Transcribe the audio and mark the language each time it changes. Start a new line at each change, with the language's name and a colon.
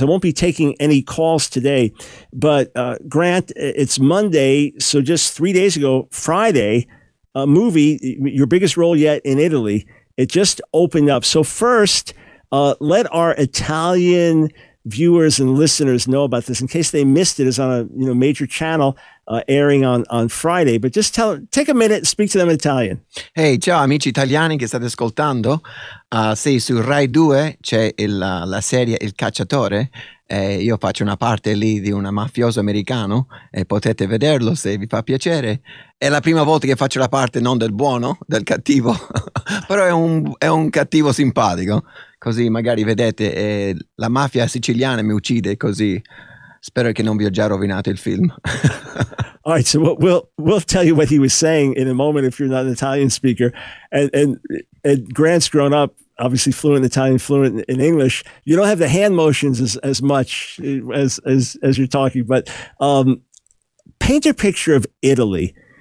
English: I won't be taking any calls today, but Grant, it's Monday, so just 3 days ago, Friday, a movie, your biggest role yet in Italy, it just opened up. So first, let our Italian viewers and listeners know about this in case they missed it. It's on a major channel airing on Friday. But just take a minute, speak to them in Italian.
Italian: Hey, ciao amici italiani che state ascoltando. Sì, su Rai 2 c'è la serie Il Cacciatore. Io faccio una parte lì di un mafioso americano e potete vederlo se vi fa piacere. È la prima volta che faccio la parte non del buono, del cattivo, però è un cattivo simpatico. Così magari vedete, la mafia siciliana mi uccide, così spero che non vi ho già rovinato il film.
English: All right, so we'll tell you what he was saying in a moment if you're not an Italian speaker. And Grant's grown up obviously fluent in Italian, fluent in English. You don't have the hand motions as much as you're talking, but paint a picture of Italy.